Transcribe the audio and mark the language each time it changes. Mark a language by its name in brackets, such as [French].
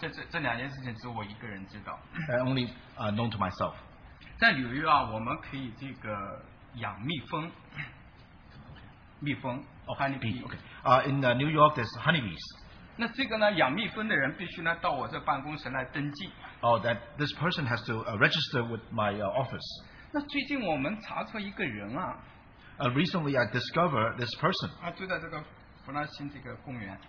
[Chinese] 这两件事情只有我一个人知道, [English] only known to myself. [Chinese] 在纽约啊, 我们可以这个养蜜蜂, 蜜蜂, [English] oh, honeybee. Okay. In New York, there's honeybees. [Chinese] 那这个呢, 养蜜蜂的人必须呢, 到我这办公室来登记, [English] oh, that this person has to register with my office. [Chinese] 那最近我们查出一个人啊, [English] recently, I discovered this person. [Chinese] 啊,住在这个弗拉辛这个公园,